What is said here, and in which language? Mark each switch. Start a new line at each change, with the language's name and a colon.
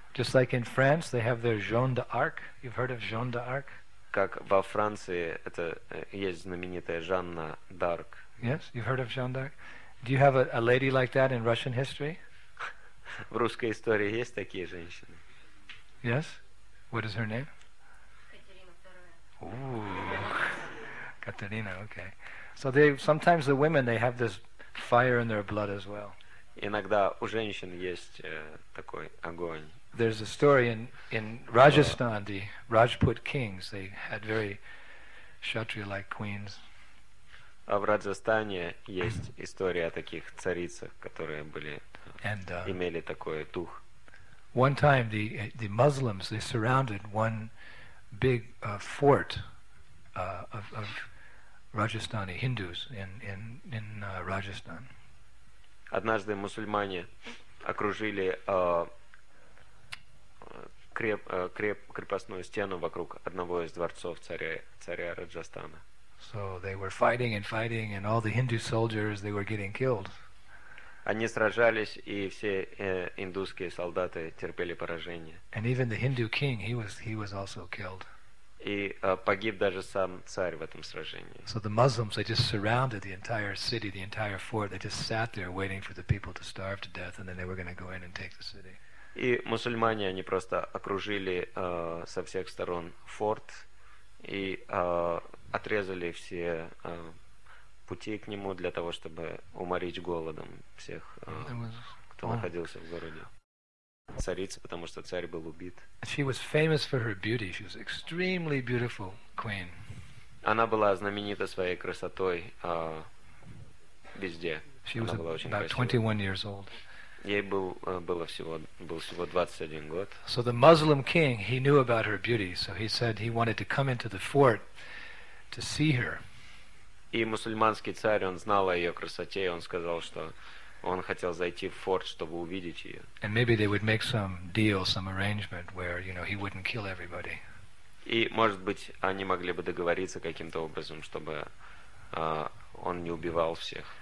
English: Just like in France, they have their Jeanne d'Arc. You've heard of Jeanne d'Arc?
Russian: Как во Франции это есть знаменитая Жанна д'Арк.
English: Yes, you've heard of Jeanne d'Arc. Do you have a lady like that in Russian history?
Russian: В русской истории есть такие женщины?
English: Yes. What is her name?
Russian: Екатерина II.
English: Катерина, okay. So they sometimes the women they have this fire in their blood as well.
Russian: Иногда у женщин есть такой огонь.
English: There's a story in Rajasthan, the Rajput kings, they had very kshatriya-like queens.
Russian: А в Раджастане есть история о таких царицах, которые были имели такой дух.
English: One time the Muslims they surrounded one big fort of Rajasthani Hindus in Rajasthan.
Russian: Однажды мусульмане окружили крепостную стену вокруг одного из дворцов царя Раджастана.
English: So they were fighting and fighting, and all the Hindu soldiers they were getting killed.
Russian: Они сражались, и все индусские солдаты терпели поражение.
English: And even the Hindu king he was also killed.
Russian: И погиб даже сам царь в этом сражении.
English: So the Muslims they just surrounded the entire city, the entire fort. They just sat there waiting for the people to starve to death, and then they were going to go in and take the city.
Russian: И мусульмане они просто окружили со всех сторон форт и отрезали все пути к нему для того, чтобы уморить голодом всех, кто находился в городе. Царица, потому что царь был убит.
English: She was famous for her beauty. She was extremely beautiful queen.
Russian: Она была знаменита своей красотой везде.
English: She
Russian: Она
English: was
Russian: была очень
English: about
Russian: красивой.
English: 21 years old.
Russian: Ей был всего 21 год.
English: So the Muslim king, he knew about her beauty, so he said he wanted to come into the fort to see her.
Russian: И мусульманский царь, он знал о ее красоте, и он сказал, что он хотел зайти в форт, чтобы увидеть ее.
English: And maybe they would make some deal, some arrangement where, you know, he wouldn't kill everybody.
Russian: И, может быть, они могли бы договориться каким-то образом, чтобы он не убивал всех.